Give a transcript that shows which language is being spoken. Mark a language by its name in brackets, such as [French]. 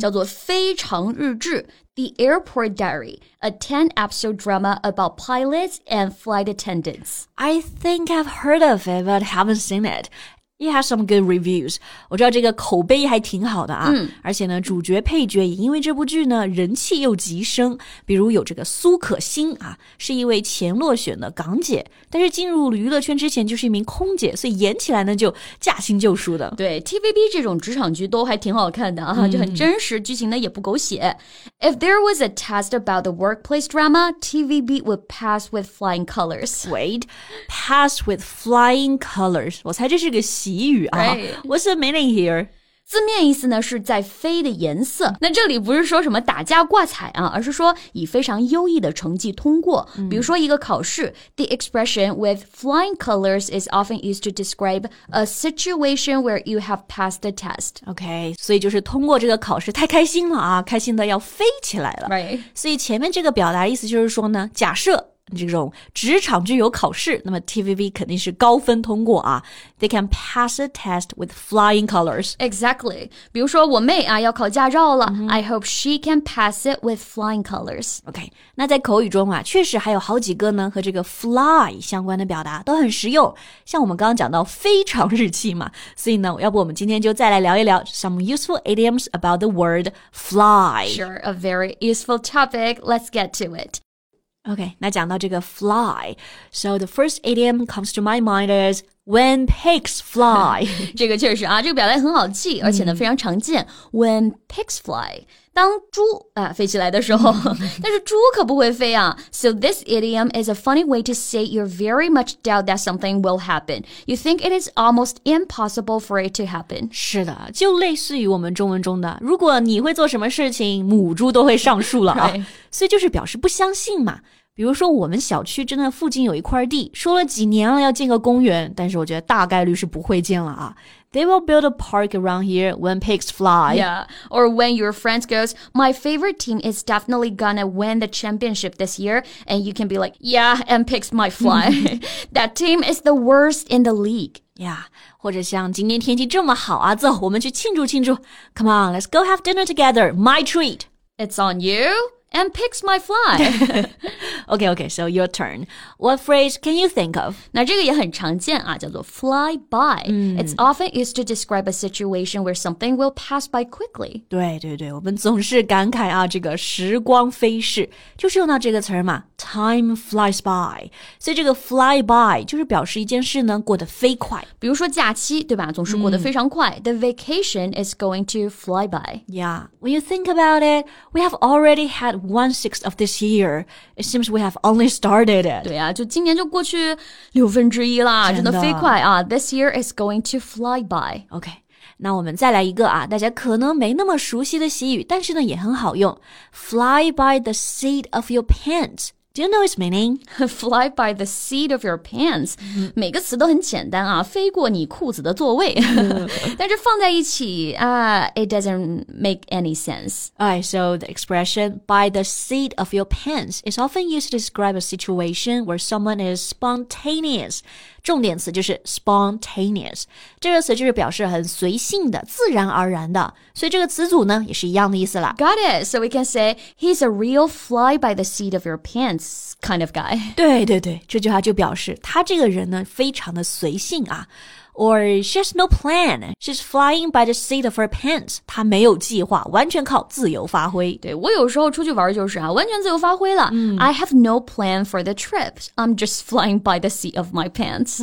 [Chinese] 叫做非常日志 [English] The Airport Diary, a 10-episode drama about pilots and flight attendants. I think I've heard of it, but haven't seen it. It has some good reviews. [Chinese] 我知道这个口碑还挺好的啊、mm-hmm. 而且呢主角配角也因为这部剧呢人气又急升，比如有这个苏可欣啊，是一位前落选的港姐，但是进入娱乐圈之前就是一名空姐，所以演起来呢就驾轻就熟的。对， TVB 这种职场剧都还挺好看的啊、mm-hmm. 就很真实，剧情呢也不狗血。 [English] If there was a test about the workplace drama, TVB would pass with flying colors. Wait, pass with flying colors. [Chinese] 我猜这是个习语啊、 [English] right. What's the meaning here? [Chinese] 字面意思呢是在飞的颜色，那这里不是说什么打架挂彩啊，而是说以非常优异的成绩通过、嗯、比如说一个考试。 [English] The expression with flying colors is often used to describe a situation where you have passed the test. [Chinese] OK, 所以就是通过这个考试太开心了啊，开心的要飞起来了、 [English] right. [Chinese] 所以前面这个表达意思就是说呢，假设这种职场剧有考试，那么 TVB 肯定是高分通过啊。 [English] They can pass a test with flying colors. Exactly. [Chinese] 比如说我妹啊要考驾照了、mm-hmm. [English] I hope she can pass it with flying colors. [Chinese] OK, 那在口语中啊确实还有好几个呢和这个 fly 相关的表达都很实用，像我们刚刚讲到非常日期嘛，所以呢要不我们今天就再来聊一聊 [English] some useful idioms about the word fly. Sure, a very useful topic. Let's get to it. Okay, [Chinese] 那讲到这个 [English] fly, so the first idiom comes to my mind is when pigs fly. [Chinese] 这个确实啊，这个表达很好记，而且呢、嗯、非常常见。 [English] When pigs fly, [Chinese] 当猪啊飞起来的时候，但是猪可不会飞啊。 [English] So this idiom is a funny way to say you're very much doubt that something will happen. You think it is almost impossible for it to happen. [Chinese] 是的，就类似于我们中文中的，如果你会做什么事情，母猪都会上树了啊。 [English] right. [Chinese] 所以就是表示不相信嘛。比如说我们小区真的附近有一块地，说了几年了要建个公园，但是我觉得大概率是不会建了啊。 [English] They will build a park around here when pigs fly. Yeah, or when your friend goes, my favorite team is definitely gonna win the championship this year, and you can be like, yeah, and pigs might fly. That team is the worst in the league. [Chinese] Yeah, 或者像今天天气这么好啊，走，我们去庆祝庆祝。 [English] Come on, let's go have dinner together, my treat. It's on you. And pigs might fly. okay, so your turn. What phrase can you think of? [Chinese] 那这个也很常见啊，叫做 fly by.、嗯、 [English] It's often used to describe a situation where something will pass by quickly. [Chinese] 对对对，我们总是感慨啊，这个时光飞逝，就是用到这个词嘛， [English] time flies by. [Chinese] 所以这个 fly by 就是表示一件事呢过得飞快。比如说假期，对吧，总是过得非常快。嗯、 [English] The vacation is going to fly by. Yeah, when you think about it, we have already had1/6 of this year. It seems we have only started it. [Chinese] 对啊，就今年就过去六分之一啦，真的飞快啊。 [English] This year is going to fly by. [Chinese] Okay, 那我们再来一个啊，大家可能没那么熟悉的习语，但是呢也很好用。 [English] Fly by the seat of your pants. Do you know its meaning? Fly by the seat of your pants.、 Mm-hmm. [Chinese] 每个词都很简单啊，飞过你裤子的座位。但是放在一起啊、 [English] it doesn't make any sense. Alright, so the expression by the seat of your pants is often used to describe a situation where someone is spontaneous. [Chinese] 重点词就是 spontaneous. 这个词就是表示很随性的，自然而然的。所以这个词组呢，也是一样的意思啦。 [English] Got it. So we can say he's a real fly by the seat of your pants. Kind of guy. [Chinese] 对对对，这句话就表示他这个人呢非常的随性啊。 [English] Or she has no plan. She's flying by the seat of her pants. [Chinese] 她没有计划，完全靠自由发挥。对，我有时候出去玩就是啊，完全自由发挥了。 Mm. [English] I have no plan for the trip. I'm just flying by the seat of my pants.